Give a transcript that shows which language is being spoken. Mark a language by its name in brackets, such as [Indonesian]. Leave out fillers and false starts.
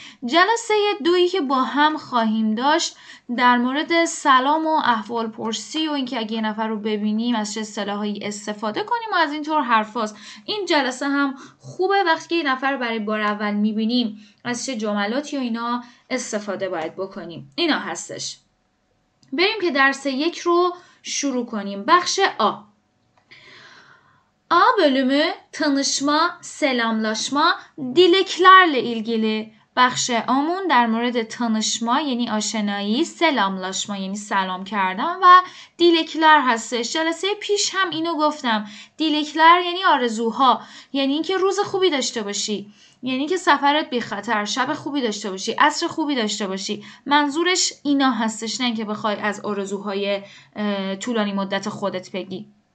[Persian] جلسه دویی که با هم خواهیم داشت در مورد سلام و احوال پرسی و اینکه اگه یه نفر رو ببینیم از چه سلاحایی استفاده کنیم و از اینطور حرف هاست. این جلسه هم خوبه وقتی یه نفر رو برای بار اول میبینیم از چه جملاتی و اینا استفاده باید بکنیم. اینا هستش. بریم که درس یک رو شروع کنیم. بخش آ. [Turkish] A bölümü tanışma, selamlaşma, dileklerle ilgili. [Persian] بخش آمون در مورد تانشما یعنی آشنایی، سلاملاشما یعنی سلام کردن و دیلکلر هستش. جلسه پیش هم اینو گفتم، دیلکلر یعنی آرزوها، یعنی اینکه روز خوبی داشته باشی، یعنی که سفرت بی خطر، شب خوبی داشته باشی، عصر خوبی داشته باشی، منظورش اینا هستش، نه اینکه بخوای از آرزوهای طولانی مدت خودت بگی.